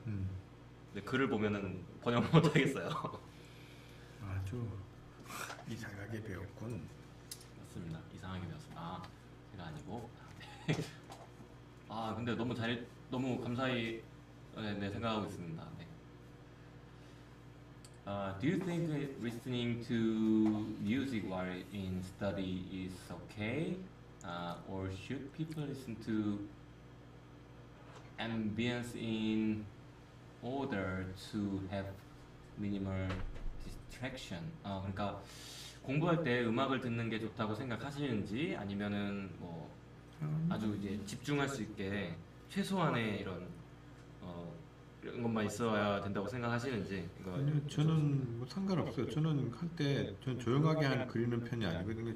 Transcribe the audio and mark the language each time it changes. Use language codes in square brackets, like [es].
[ko] 근데 글을 보면은 번역 못하겠어요. 아주 이상하게 배웠군. 맞습니다. 이상하게 배웠습니다. 아, 제가 아니고. 아, 근데 너무 잘, 너무 감사히 네, 네, 생각하고 있습니다. 네. [en] Do you think listening to music while in study is okay? Or should people listen to ambience in order to have minimal distraction? [ko] 아, 그러니까 공부할 때 음악을 듣는 게 좋다고 생각하시는지 아니면은 뭐 아주 이제 집중할 수 있게 최소한의 이런 이런 것만 있어야 된다고 생각하시는지. 아니요, 저는 뭐 상관없어요. 저는 할 때 전 조용하게 한 그리는 편이 아니거든요.